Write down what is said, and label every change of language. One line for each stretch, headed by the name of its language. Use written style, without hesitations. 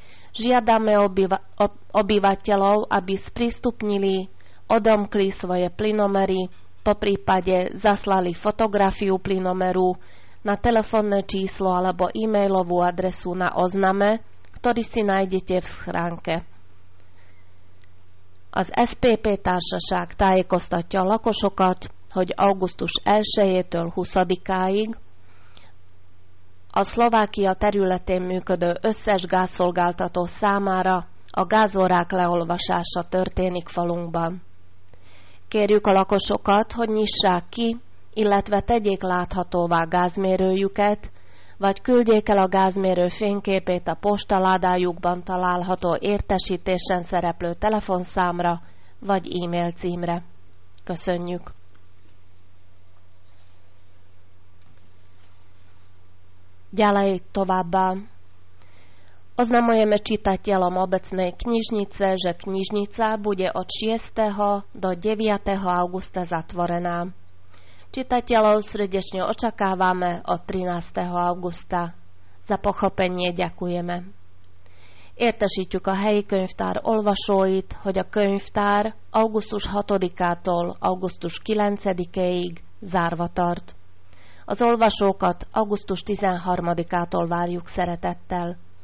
Slovak: Žiadame obyvateľov, aby sprístupnili, odomkli svoje plynomery, poprípade zaslali fotografiu plynomeru na telefónne číslo alebo e-mailovú adresu na ozname, ktorý si nájdete v schránke.
Hungarian: Az SPP társaság tájékoztatja a lakosokat, hogy augusztus 1-től 20-áig a Szlovákia területén működő összes gázszolgáltató számára a gázórák leolvasása történik falunkban. Kérjük a lakosokat, hogy nyissák ki, illetve tegyék láthatóvá gázmérőjüket, vagy küldjék el a gázmérő fényképét a postaládájukban található értesítésen szereplő telefonszámra vagy e-mail címre. Köszönjük!
Slovak: Ďalej továbbá. Oznamujeme čitateľom obecnej knižnice, že knižnica bude od 6. do 9. augusta zatvorená. Čitateľov srdečne očakávame od 13. augusta. Za pochopenie ďakujeme.
Hungarian: Értesítjük a helyi könyvtár olvasóit, hogy a könyvtár augusztus 6-ától augusztus 9-ig zárva tart. Az olvasókat augusztus 13-ától várjuk szeretettel.